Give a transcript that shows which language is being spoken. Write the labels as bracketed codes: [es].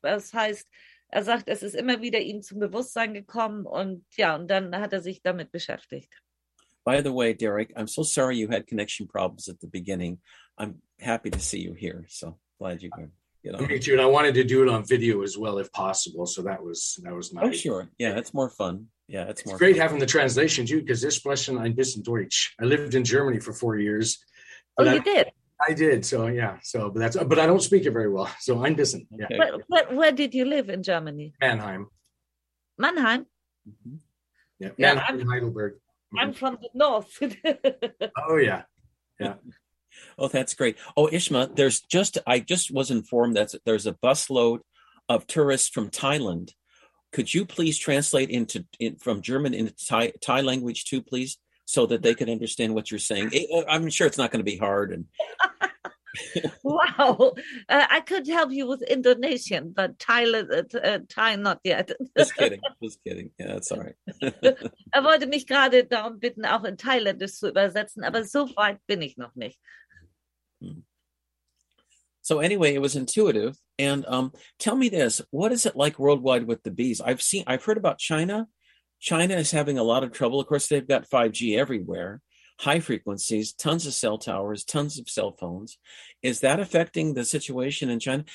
[de] Das heißt, sagt, es ist immer wieder ihm zum Bewusstsein gekommen und ja, und dann hat sich damit beschäftigt. [en] By the way, Derek, I'm so sorry you had connection problems at the beginning. I'm happy to see you here. So glad you could get on. Me too. And I wanted to do it on video as well, if possible. So that was nice. Oh, sure. Yeah, it's more fun. Yeah, it's more great fun. Having the translation too, because this question, I'm [de] bis in Deutsch. [en] I lived in Germany for 4 years. Oh, you did? I did. So, yeah. So, but I don't speak it very well. So I'm missing. Yeah. Okay. But where did you live in Germany? Mannheim. Mannheim? Mm-hmm. Yeah. Yeah, Mannheim, Heidelberg. I'm from the north. Oh, yeah. Yeah. Oh, that's great. Oh, Ishma, I just was informed that there's a busload of tourists from Thailand. Could you please translate from German into Thai language too, please? So that they can understand what you're saying. I'm sure it's not going to be hard. And wow. I could help you with Indonesian, but Thai, not yet. Just kidding. Yeah, that's all right. [de] Er wollte mich gerade darum bitten, auch in Thailändisch zu übersetzen, aber so weit bin ich noch nicht. [en] So anyway, it was intuitive. And tell me this, what is it like worldwide with the bees? I've heard about China. China is having a lot of trouble. Of course, they've got 5G everywhere, high frequencies, tons of cell towers, tons of cell phones. Is that affecting the situation in China?